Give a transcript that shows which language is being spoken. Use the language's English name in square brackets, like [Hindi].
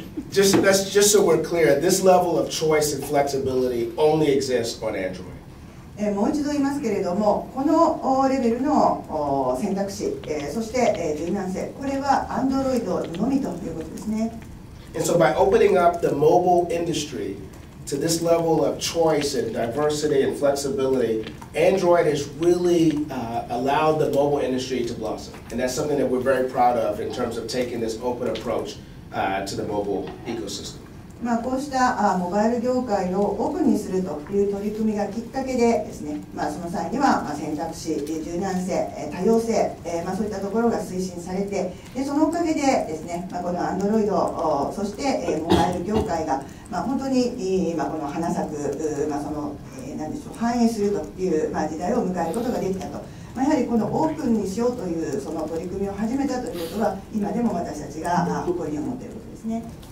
[English] Just so we're clear, this level of choice and flexibility only exists on Android. [Japanese] もう一度言いますけれども、このレベルの選択肢、そして柔軟性、これは Android のみということですね。 [English] And so by opening up the mobile industry to this level of choice and diversity and flexibility, Android has really allowed the mobile industry to blossom. And that's something that we're very proud of in terms of taking this open approach to the mobile ecosystem. [Japanese] まあ、こうしたモバイル業界をオープンにするという取り組みがきっかけでですね、まあ、その際には選択肢、柔軟性、多様性、まあ、そういったところが推進されて、でそのおかげでですね、まあ、このアンドロイド、そしてモバイル業界が、まあ、本当に今この花咲く、まあ、その何でしょう、繁栄するという時代を迎えることができたと、まあ、やはりこのオープンにしようというその取り組みを始めたということは、今でも私たちが誇りに思っていることですね。